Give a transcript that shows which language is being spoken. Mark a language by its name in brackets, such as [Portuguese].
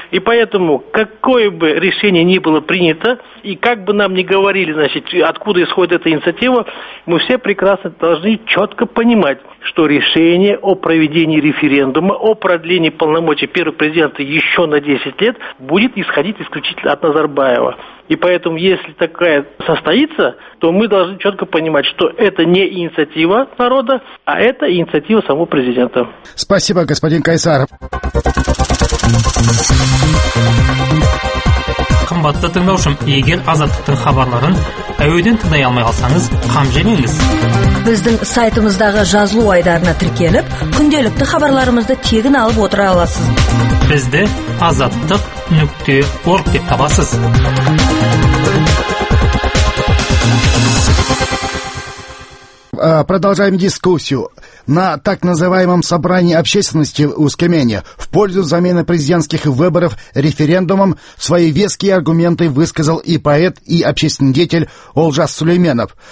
[Russian] И поэтому, какое бы решение ни было принято, и как бы нам ни говорили, значит, откуда исходит эта инициатива, мы все прекрасно должны четко понимать, что решение о проведении референдума, о продлении полномочий первого президента еще на 10 лет, будет исходить исключительно от Назарбаева. И поэтому, если такая состоится, то мы должны четко понимать, что это не инициатива народа, а это инициатива самого президента. Спасибо, господин Кайсаров. [Kazakh] қымбатты тыңдаушым, егер азаттықтың хабарларын әуеден тыңдай алмай қалсаңыз, қам жемеңіз. Біздің сайтымыздағы жазылу айдарына тіркеліп, күнделікті хабарларымызды тегін алып отыра аласыз. Бізді azattik.org деп табасыз. [Russian] Продолжаем дискуссию. На так называемом собрании общественности в Ускемене в пользу замены президентских выборов референдумом свои веские аргументы высказал и поэт, и общественный деятель Олжас Сулейменов.